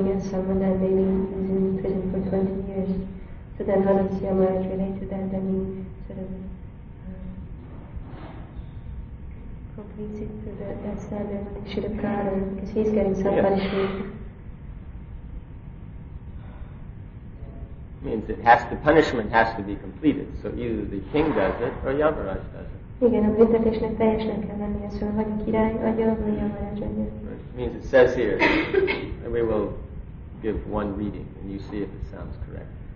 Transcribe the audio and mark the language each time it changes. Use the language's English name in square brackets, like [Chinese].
[English] Someone that maybe is in prison for 20 years. So then how does your marriage relate to that? I mean, sort of completes it to that standard that he should have got, or because he's getting some punishment. Means it has, the punishment has to be completed. So either the king does it or Yavaraj does it. [Hungarian] Igen, a büntetésnek teljesnek kell lennie, szóval vagy a király adja, vagy a marajadja. [English] Means it says here, and we will give one reading and you see if it sounds correct.